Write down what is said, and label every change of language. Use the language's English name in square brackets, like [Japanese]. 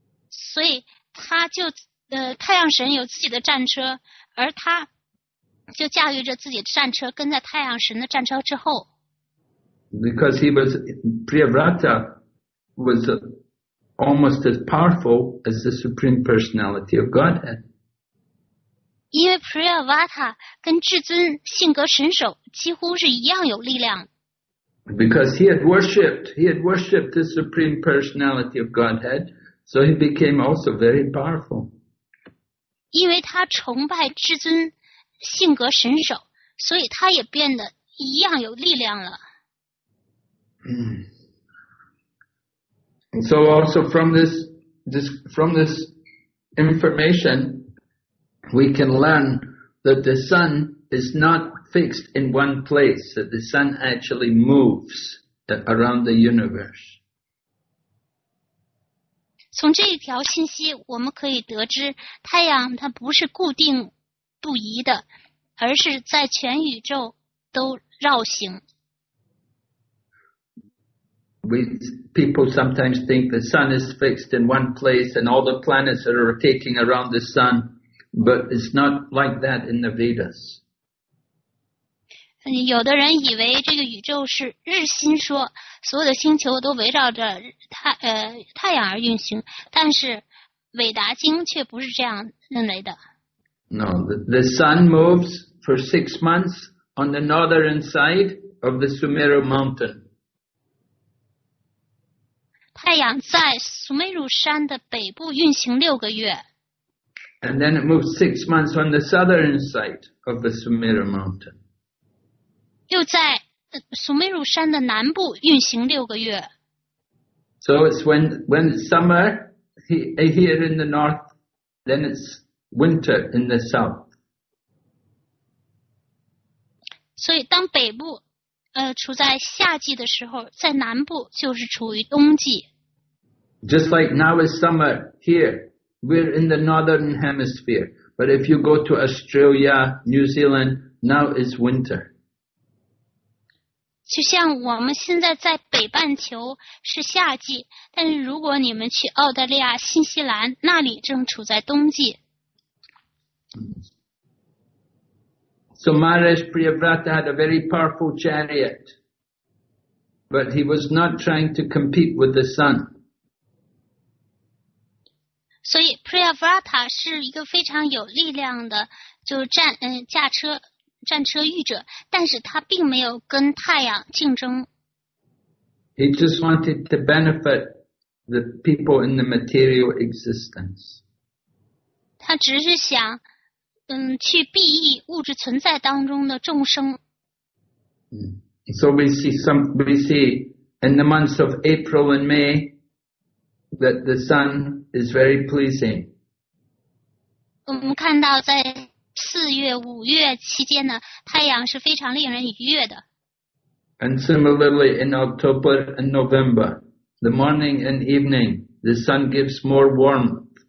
[Chinese] 所以他就太阳神有自己的战车，而他就驾驭着自己的战车，跟在太阳神的战车之后。 [English] Because he was Priyavrata was almost as powerful as the Supreme Personality of Godhead. [Chinese] 因为 Priyavrata 跟至尊性格神首几乎是一样有力量。 [English] Because he had worshipped the Supreme Personality of Godhead, so he became also very powerful. [Chinese] 因为他崇拜至尊性格神手，所以他也变得一样有力量了。 [English] And so also from this information, we can learn that the sun is not fixed in one place, that the sun actually moves around the universe. [Chinese] 从这一条信息我们可以得知，太阳它不是固定不移的，而是在全宇宙都绕行。 [English] People sometimes think the sun is fixed in one place and all the planets are rotating around the sun, but it's not like that in the Vedas. [Chinese] 有的人以为这个宇宙是日心说，所有的星球都围绕着太阳而运行，但是韦达经却不是这样认为的。 [English] No, the sun moves for 6 months on the northern side of the Sumeru mountain. [Chinese] 太阳在苏美鲁山的北部运行6个月。 [English] And then it moves 6 months on the southern side of the Sumeru mountain. [Chinese] 又在苏美鲁山的南部运行6个月。 [English] So it's when summer here in the north, then it's winter in the south. [Chinese] 所以当北部处在夏季的时候，在南部就是处于冬季。 [English] Just like now is summer here, we're in the northern hemisphere. But if you go to Australia, New Zealand, now is winter. [Chinese] 就像我们现在在北半球是夏季，但是如果你们去澳大利亚、新西兰，那里正处在冬季。 [English] So Maharaj Priyavrata had a very powerful chariot, but he was not trying to compete with the sun. [Chinese] 所以 Priyavrata 是一个非常有力量的，就战车御者，但是他并没有跟太阳竞争。 [English] He just wanted to benefit the people in the material existence. [Chinese] 他只是想去裨益物质存在当中的众生。 [English] So we see in the months of April and May that the sun is very pleasing. [Chinese] 我们看到在四月、五月期间呢，太阳是非常令人愉悦的。 [English] And similarly in October and November, the morning and evening, the sun gives more warmth.